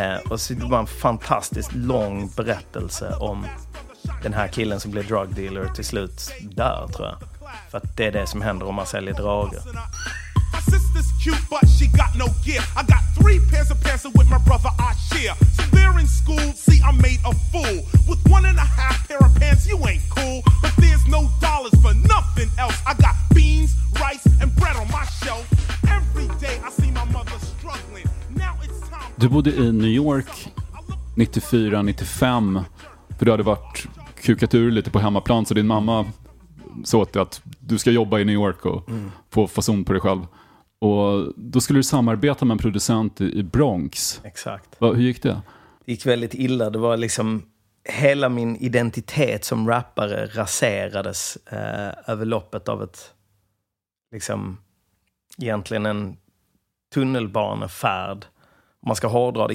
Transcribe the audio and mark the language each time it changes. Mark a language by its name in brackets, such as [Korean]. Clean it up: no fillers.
[Swedish] Och så det var en fantastiskt lång berättelse om den här killen som blir drug dealer till slut där, tror jag. För att det är det som händer om man säljer droger. [English] My sister's cute, but she got no gear. I got 3 pairs of pants with my brother I share. So they're in school, see I'm made a fool. With 1.5 pair of pants, you ain't cool. But there's no dollars for nothing else. I got beans, rice and bread on my shelf. Every day I see my mother struggling. Now it's time. [Swedish] Du bodde i New York 94-95. För du hade varit kukat ur lite på hemmaplan så din mamma så att du ska jobba i New York och få fason på dig själv. Och då skulle du samarbeta med en producent i Bronx. Exakt. Hur gick det? Det gick väldigt illa. Det var liksom hela min identitet som rappare raserades över loppet av ett liksom egentligen en tunnelbanefärd. Man ska hårdra det.